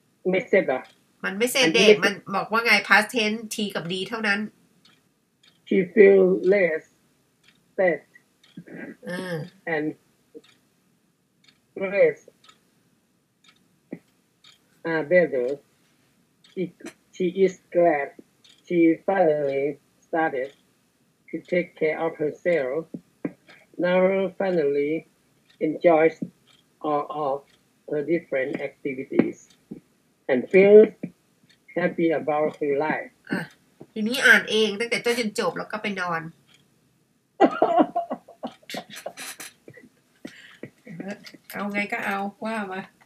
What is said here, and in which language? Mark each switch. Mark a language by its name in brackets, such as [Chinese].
[Thai] ไม่เสร็จอ่ะมันไม่เสร็จเดมันบอกว่าไง past tense t กับ d เท่านั้น [English] she feel less sad and less better she is glad she finally started to take care of herself now finallyenjoys all of her different activities and feels happy about her life. [Thai] ทีนี้อ่านเองตั้งแต่ต้นจนจบแล้วก็ไปนอน เอาไงก็เอาว่ามา